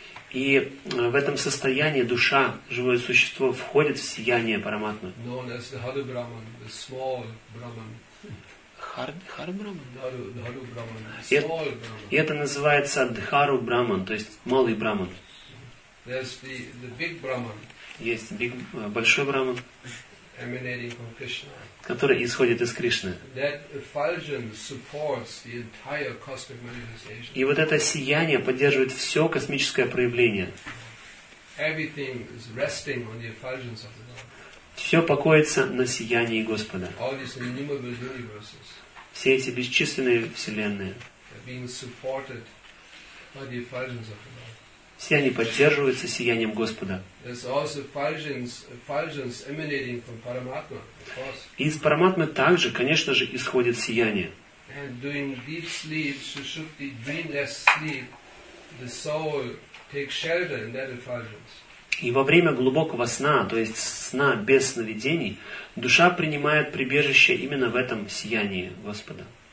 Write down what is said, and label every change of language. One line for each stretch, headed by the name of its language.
Russian: И в этом состоянии душа, живое существо, входит в сияние Параматмы.
English: Known as the Hadu Brahman, the small Brahman. Hadu Brahman, the small Brahman.
Russian: И это называется Дхару Брахман, то есть малый Брахман.
English: There's the big Brahman.
Russian: Есть big, большой Брахман.
English: Emanating from Krishna.
Russian: Который исходит из Кришны.
English: That effulgence supports the entire cosmic manifestation.
Russian: И вот это сияние поддерживает все космическое проявление.
English: Everything is resting on the effulgence of the Lord.
Russian: Все покоится на сиянии Господа.
English: All these innumerable universes.
Russian: Все эти бесчисленные вселенные.
English: Being supported by the effulgence of the Lord.
Russian: Все они поддерживаются сиянием Господа. Из Параматмы также, конечно же, исходит сияние. И во время глубокого сна, то есть сна без сновидений, душа принимает прибежище именно в этом сиянии Господа.